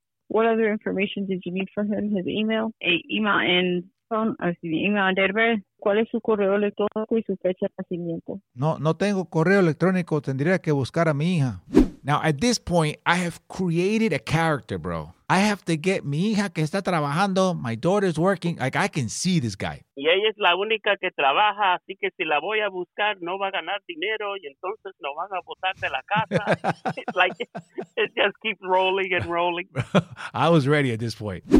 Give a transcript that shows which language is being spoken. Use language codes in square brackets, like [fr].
[en] What other information did you need from him? His email? Email and date of birth. [es] ¿Cuál es su correo electrónico y su fecha de nacimiento? No tengo correo electrónico. Tendría que buscar a mi hija. [en] Now, at this point, I have created a character, bro. I have to get [es] mi hija que está trabajando. [en] My daughter's working. Like, I can see this guy. [es] Y ella es la única que trabaja, así que si la voy a buscar, no va a ganar dinero, y entonces no van a botar de la casa. [en] Like, it just keeps rolling and rolling. I was ready at this point.